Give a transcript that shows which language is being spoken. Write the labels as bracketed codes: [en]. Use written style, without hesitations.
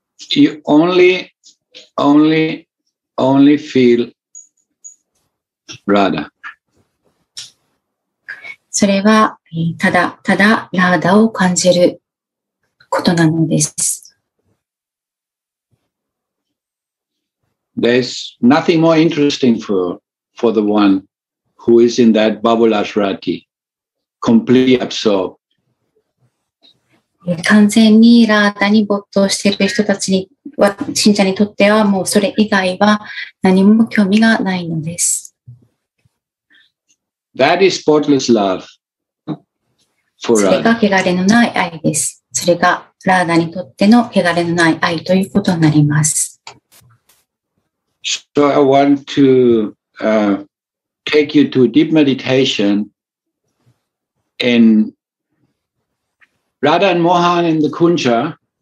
[en] You only feel Radha. [ja] それはただただラーダを感じることなのです。 [en] There's nothing more interesting for the one who is in that Babulashrati, completely absorbed. [ja] 完全にラーダに没頭している人たちには、信者にとってはもうそれ以外は何も興味がないのです。 [en] That is spotless love for us. [ja] それが汚れのない愛です。それがラーダにとっての汚れのない愛ということになります。 [en] So I want to take you to deep meditation in Radha and Mohan in the Kuncha.